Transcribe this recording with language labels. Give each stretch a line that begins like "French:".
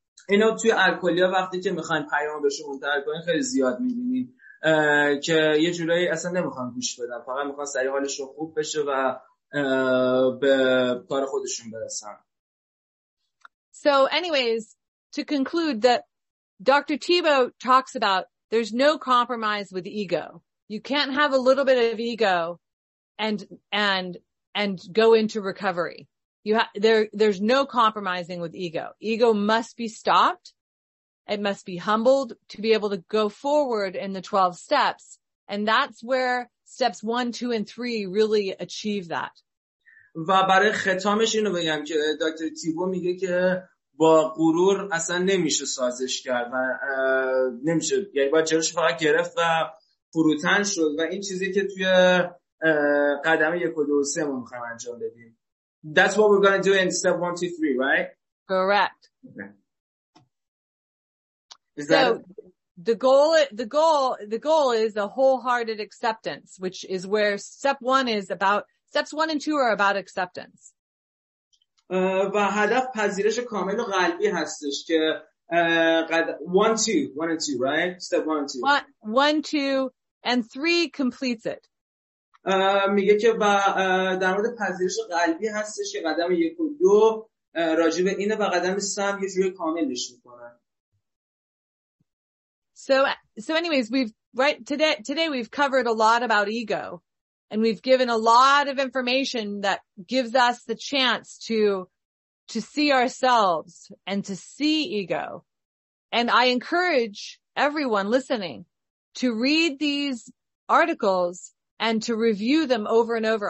Persian: اینا توی الکلیا وقتی که میخواین پیامو بهشون منتقل کنین خیلی زیاد میبینین که یه جورایی اصلا نمیخوان گوش بدن، فقط میخوان سریع حالش رو خوب بشه و به کار خودشون برسن.
English: So anyways, to conclude that Dr. Thibault talks about there's no compromise with ego. You can't have a little bit of ego and go into recovery. There's no compromising with ego. Ego must be stopped. It must be humbled to be able to go forward in the 12 steps. And that's where steps 1, 2, and 3 really achieve that.
Persian: و برای ختامش اینو بگم که دکتر تیبو میگه که با غرور اصلا نمیشه سازش کرد و نمیشه. یعنی باید جلوش فقط گرفت و فروتن شد و این چیزی که توی قدم 1 و 2 و 3 ما میخوایم انجام بدیم.
English: That's what we're going to do in step 1, 2, 3, right? Correct. Okay. So the goal is a wholehearted acceptance, which is where step one is about. Steps one and two are about acceptance. و هدف پذیرش کامل و قلبی هستش که one and two, right? Step one and two. One, two, and three completes it.
Persian: میگه که با در مورد پذیرش قلبی هستش که قدم یک و دو راجب اینه و قدم سوم یه جور کاملش میکنه.
English: So anyways, we've covered a lot about ego and we've given a lot of information that gives us the chance to see ourselves and to see ego. And I encourage everyone listening to read these articles and to review them over and over.